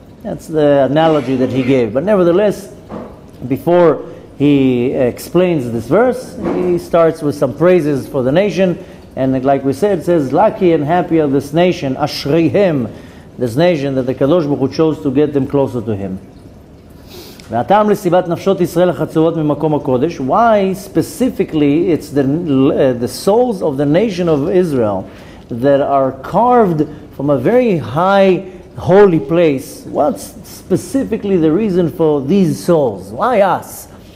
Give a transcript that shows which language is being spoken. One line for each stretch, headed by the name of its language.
English: That's the analogy that he gave. But nevertheless, before he explains this verse, he starts with some praises for the nation. And like we said, it says, "Lucky and happy are this nation, ashrihem," this nation that the Kadosh Baruch Hu chose to get them closer to Him.
Hebrew: והטעם לסיבת נפשות ישראל החצובות ממקום הקודש.
English: Why specifically it's the souls of the nation of Israel that are carved from a very high holy place, what's specifically the reason for these souls? Why us?